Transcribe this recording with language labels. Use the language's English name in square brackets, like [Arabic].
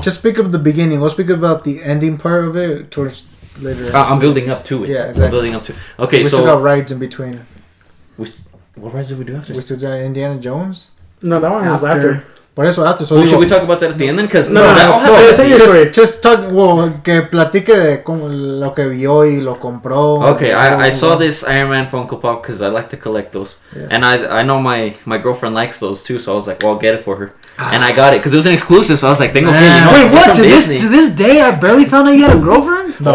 [English] Just speak of the beginning. We'll speak about the ending part of it towards later. I'm building up to it. Yeah, exactly. I'm building up to it. Okay, we still got rides in between. What rides did we do after? We still got Indiana Jones. No, that one was after. But eso after. So should we talk about that at the end then? Cause no, that no. Say your story. Just talk, [Spanish] que platique de lo que vio y lo compró. [English] Okay, I saw this Iron Man Funko Pop because I like to collect those. Yeah. And I know my girlfriend likes those too, so I was like, well, I'll get it for her. And I got it because it was an exclusive, so I was like, [Spanish] tengo que, [English] you know. Wait, what? To this day, I barely found out you had a girlfriend?